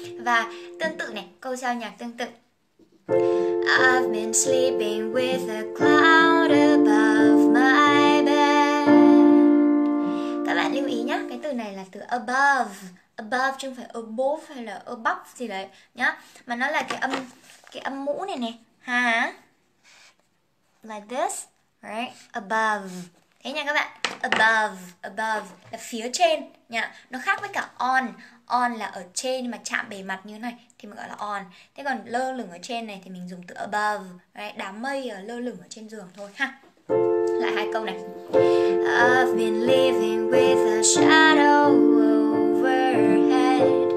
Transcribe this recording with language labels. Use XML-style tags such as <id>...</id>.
<vi>Và tương tự này, câu giao nhạc tương tự.</vi> <en>I've been sleeping with a cloud above my bed.</en> <vi>Các bạn lưu ý nhé, cái từ này là từ above. Above chứ không phải above hay là above gì đấy nhá. Mà nó là cái âm mũ này này. Ha.</vi> <en>Like this.</en> <vi>Right, above. Thế nha các bạn. Above, above là phía trên nhá. Nó khác với cả on. On là ở trên mà chạm bề mặt như thế này thì mình gọi là on. Thế còn lơ lửng ở trên này thì mình dùng từ above. Right, đám mây ở lơ lửng ở trên giường thôi ha. Lại hai câu này.</vi> <en>I've been living with a shadow overhead.</en>